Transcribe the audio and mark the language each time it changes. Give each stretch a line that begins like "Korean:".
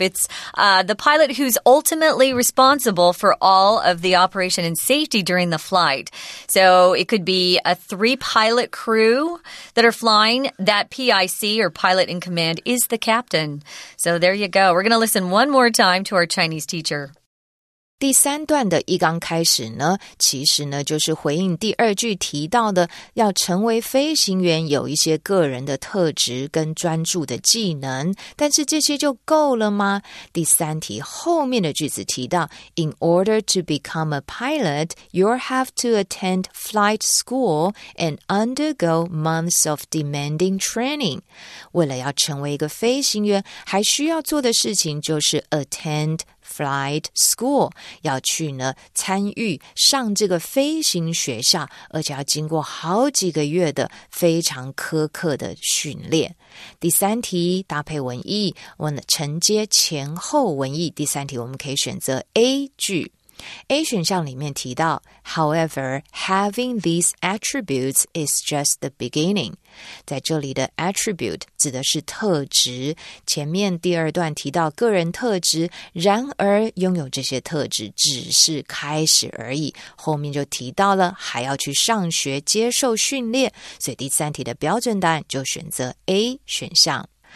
English: It's the pilot who's ultimately responsible for all of the operation and safety during the flight. So it could be a 3-pilot crew that are flying. That PIC, or pilot in command, is the captain. So there you go. We're going to listen one more time to our Chinese teacher.
Chinese: 第三段的一刚开始呢，其实呢就是回应第二句提到的，要成为飞行员有一些个人的特质跟专注的技能，但是这些就够了吗？第三题后面的句子提到
English: ，In order to become a pilot, you have to attend flight school and undergo months of demanding training。
Chinese: 为了要成为一个飞行员，还需要做的事情就是
English: attendFlight school,
Chinese: 要去呢参与上这个飞行学校，而且要经过好几个月的非常苛刻的训练。第三题搭配文意，承接前后文意。第三题我们可以选择 A 句。 A 选项里面提到
English: However, having these attributes is just the beginning.
Chinese: 在这里的 attribute 指的是特质，前面第二段提到个人特质，然而拥有这些特质只是开始而已，后面就提到了还要去上学接受训练，所以第三题的标准答案就选择 A 选项。